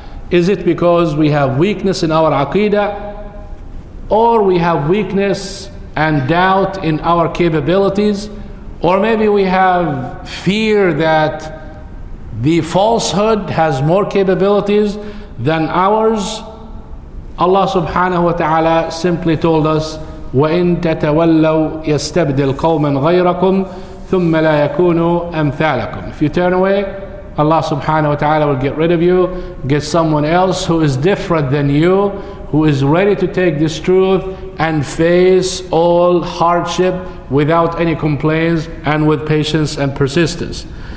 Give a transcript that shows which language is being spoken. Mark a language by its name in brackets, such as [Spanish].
[English] Is it because we have weakness in our aqidah, or we have weakness and doubt in our capabilities, or maybe we have fear that the falsehood has more capabilities than ours? [Arabic] Allah subhanahu wa ta'ala [English] simply told us, [Arabic] وَإِن تَتَوَلَّوْا يَسْتَبْدِلْ قَوْمًا غَيْرَكُمْ ثُمَّ لَا يَكُونُوا أَمْثَالَكُمْ. [English] If you turn away, Allah subhanahu wa ta'ala will get rid of you, get someone else who is different than you, who is ready to take this truth and face all hardship without any complaints and with patience and persistence.